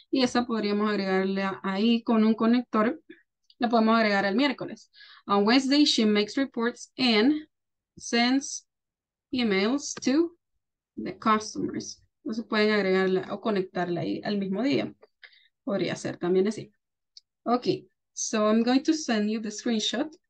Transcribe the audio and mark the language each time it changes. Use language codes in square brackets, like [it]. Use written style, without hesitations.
[es] Y esa podríamos agregarla ahí con un conector. La podemos agregar el miércoles. [en] On Wednesday, she makes reports and sends emails to the customers. [es] No se pueden agregarla o conectarla ahí al mismo día. Podría ser también así. [en] Okay, so I'm going to send you the screenshot.